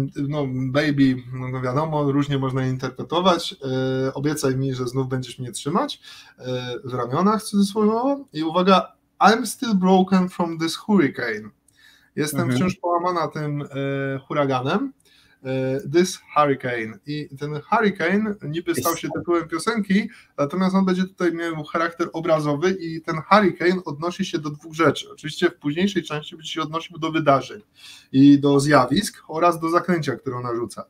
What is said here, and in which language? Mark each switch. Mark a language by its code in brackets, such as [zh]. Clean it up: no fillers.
[pl] No, wiadomo, różnie można interpretować. Obiecaj mi, że znów będziesz mnie trzymać w ramionach, cudzysłowo. I uwaga. [en] I'm still broken from this hurricane. [pl] Jestem wciąż połamana tym huraganem. [en] This hurricane. [pl] I ten hurricane niby stał się tytułem piosenki, natomiast on będzie tutaj miał charakter obrazowy i ten hurricane odnosi się do dwóch rzeczy. Oczywiście w późniejszej części będzie się odnosił do wydarzeń i do zjawisk oraz do zaklęcia, które ona rzuca.